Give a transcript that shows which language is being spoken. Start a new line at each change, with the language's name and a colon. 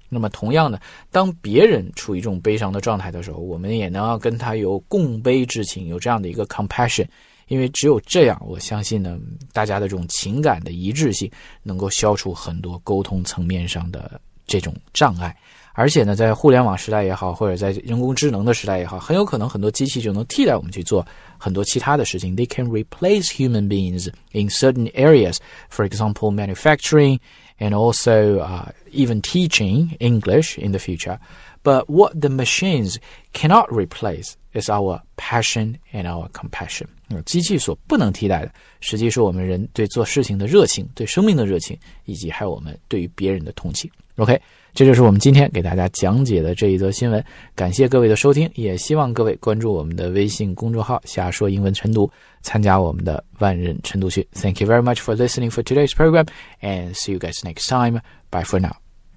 Chinese: 那么同样的，当别人处于一种悲伤的状态的时候，我们也能要跟他有共悲之情，有这样的一个 compassion， 因为只有这样，我相信呢，大家的这种情感的一致性能够消除很多沟通层面上的这种障碍。而且呢，在互联网时代也好，或者在人工智能的时代也好，很有可能很多机器就能替代我们去做很多其他的事情。
English: They can replace human beings in certain areas, for example, manufacturing and also even teaching English in the future. But what the machines cannot replace is our passion and our compassion.
Chinese: 机器所不能替代的，实际是我们人对做事情的热情，对生命的热情，以及还有我们对于别人的同情。 OK, 这就是我们今天给大家讲解的这一则新闻。感谢各位的收听，也希望各位关注我们的微信公众号瞎说英文晨读，参加我们的万人晨读群。
English: Thank you very much for listening for today's program, and see you guys next time. Bye for now.